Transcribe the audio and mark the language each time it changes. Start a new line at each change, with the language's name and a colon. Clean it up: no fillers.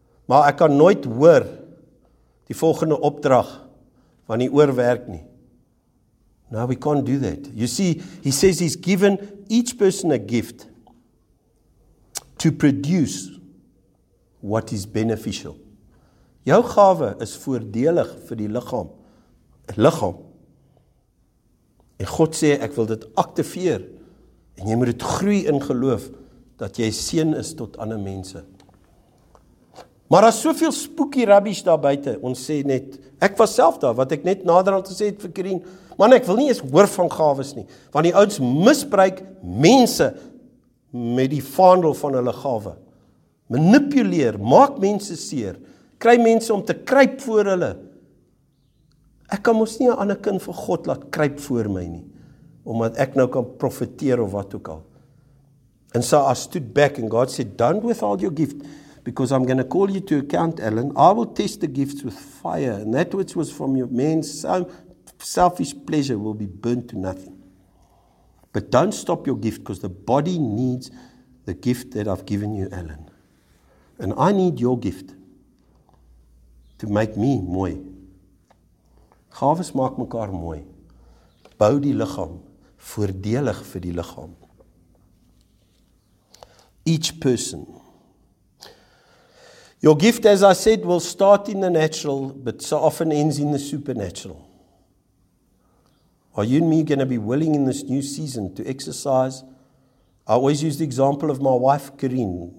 Afrikaans: Maar ek kan nooit hoor die volgende opdrag van die oor werk nie.
English: Now we can't do that. You see, he says he's given each person a gift to produce what is beneficial.
Afrikaans: Jou gawe is voordelig vir die liggaam. Liggaam. En God sê, ek wil dit activeer. En jy moet het groei in geloof dat jy seën is tot ander mense. Maar daar is soveel spooky rubbish daar buiten. Ons sê net, ek was self daar, wat ek net naderhand gesê het vir Karine. Man, ek wil nie eens hoor van gawes nie. Want die ouds misbruik mense met die vaandel van hulle gawe. Manipuleer, maak mense seer. Kry mense om te kruip voor hulle. Ek kan mos nie 'n ander kind vir God laat kruip voor my nie. Omdat ek nou kan profiteer of wat ook al.
English: And so I stood back and God said, don't withhold your gift. Because I'm going to call you to account, Alan. I will test the gifts with fire. And that which was from your man's selfish pleasure will be burnt to nothing. But don't stop your gift because the body needs the gift that I've given you, Alan. And I need your gift to make me mooi.
Afrikaans: Gawes maak mekaar mooi. Bou die lichaam. Voordelig vir die lichaam.
English: Each person. Your gift, as I said, will start in the natural, but so often ends in the supernatural. Are you and me going to be willing in this new season to exercise? I always use the example of my wife, Karine.